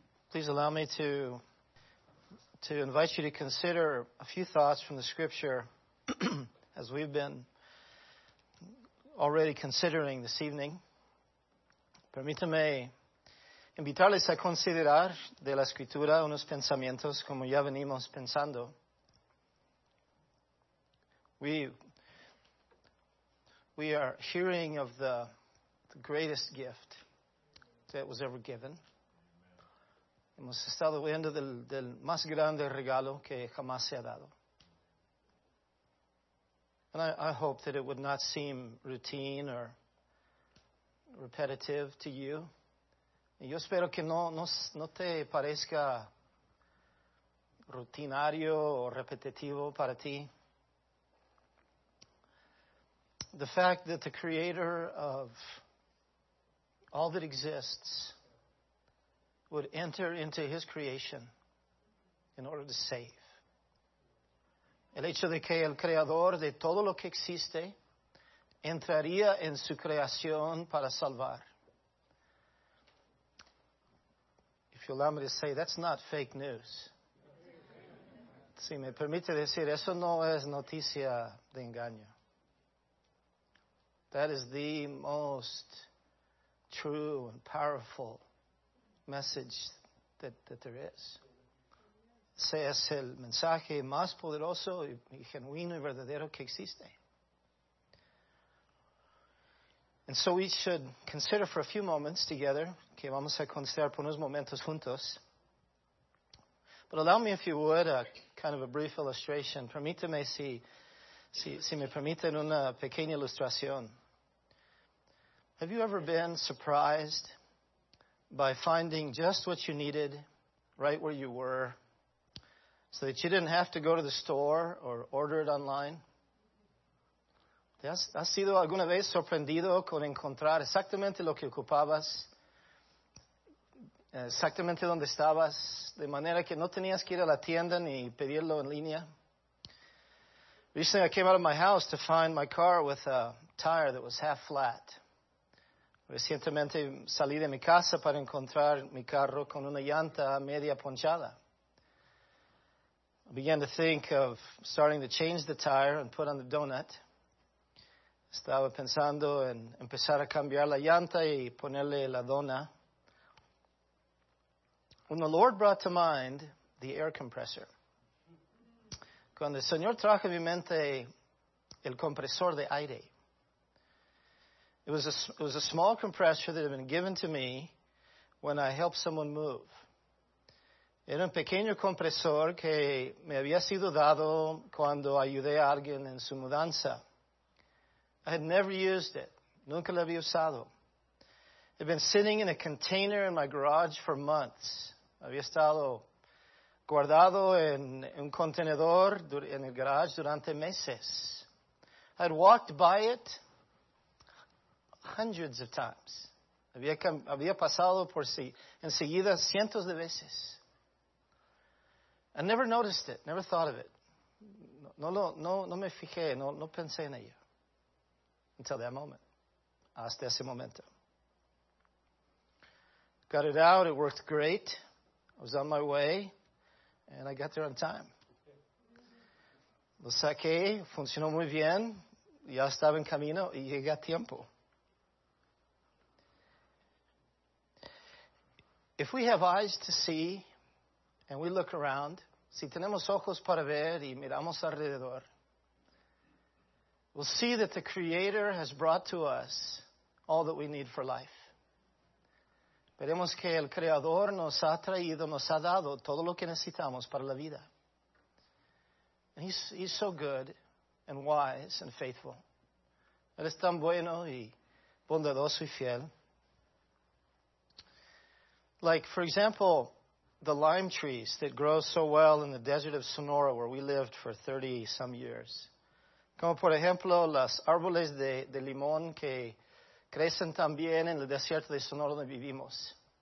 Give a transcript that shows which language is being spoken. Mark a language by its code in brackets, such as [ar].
[en] Please allow me to invite you to consider a few thoughts from the Scripture as we've been already considering this evening. [es] Permítame invitarles a considerar de la Escritura unos pensamientos como ya venimos pensando. [en] We are hearing of the greatest gift that was ever given. [es] Hemos estado oyendo del más grande regalo que jamás se ha dado. [en] And I hope that it would not seem routine or repetitive to you. [es] Y yo espero que no te parezca rutinario o repetitivo para ti. [en] The fact that the Creator of all that exists would enter into His creation in order to save. [es] El hecho de que el Creador de todo lo que existe entraría en su creación para salvar. [en] If you allow me to say, that's not fake news. [es] Si me permite decir, eso no es noticia de engaño. [en] That is the most true and powerful message that there is. [es] Ese es el mensaje más poderoso y genuino y verdadero que existe. [en] And so we should consider for a few moments together, [es] que vamos a considerar por unos momentos juntos. [en] But allow me, if you would, a kind of a brief illustration. [es] Permíteme si me permiten una pequeña ilustración. [en] Have you ever been surprised by finding just what you needed right where you were so that you didn't have to go to the store or order it online? [es] ¿Te has sido alguna vez sorprendido con encontrar exactamente lo que ocupabas, exactamente donde estabas, de manera que no tenías que ir a la tienda ni pedirlo en línea? [en] Recently I came out of my house to find my car with a tire that was half flat. [es] Recientemente salí de mi casa para encontrar mi carro con una llanta media ponchada. [en] I began to think of starting to change the tire and put on the donut. [es] Estaba pensando en empezar a cambiar la llanta y ponerle la dona. [en] When the Lord brought to mind the air compressor. [es] Cuando el Señor trajo a mi mente el compresor de aire. [en] It was a small compressor that had been given to me when I helped someone move. [es] Era un pequeño compresor que me había sido dado cuando ayudé a alguien en su mudanza. [en] I had never used it. [es] Nunca lo había usado. [en] It had been sitting in a container in my garage for months. [es] Había estado guardado en un contenedor en el garage durante meses. [en] I had walked by it hundreds of times. [es] Había pasado por sí enseguida cientos de veces. [en] I never noticed it, never thought of it. [es] No me fijé, no pensé en ello. [en] Until that moment. [es] Hasta ese momento. [en] Got it out, it worked great. I was on my way, and I got there on time. [es] Lo saqué, funcionó muy bien, ya estaba en camino, y llegué a tiempo. [en] If we have eyes to see and we look around, [es] si tenemos ojos para ver y miramos alrededor, [en] we'll see that the Creator has brought to us all that we need for life. [es] Veremos que el Creador nos ha traído, nos ha dado todo lo que necesitamos para la vida. [en] And he's so good and wise and faithful. [es] Él es tan bueno y bondadoso y fiel. [en] Like, for example, the lime trees that grow so well in the desert of Sonora, where we lived for 30-some years. [es] Como, por ejemplo, las árboles de limón que crecen también en el desierto de Sonora donde vivimos.